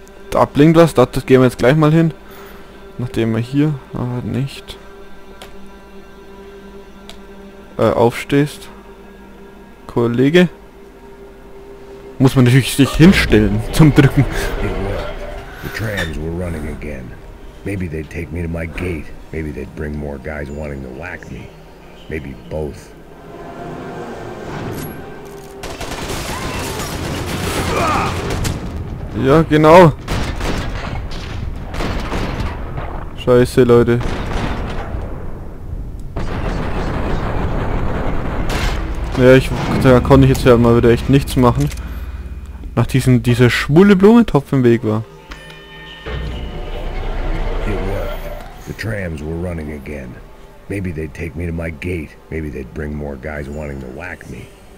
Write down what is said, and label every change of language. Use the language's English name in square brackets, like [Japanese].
[German] Da blinkt was, das gehen wir jetzt gleich mal hin. Nachdem wir hier aber nicht aufstehst, Kollege, muss man natürlich sich hinstellen zum Drücken. [English] The trams were running again. Maybe they'd take me to my gate. Maybe they'd bring more guys wanting to whack me. Maybe both. [German] Ja, genau. Scheiße, Leute. Ja, ich, da konnte ich jetzt ja mal wieder echt nichts machen. Nach diesem, dieser schwule Blumentopf im Weg war. [English] The trams were running again. Maybe they'd take me to my gate. Maybe they'd bring more guys wanting to whack me.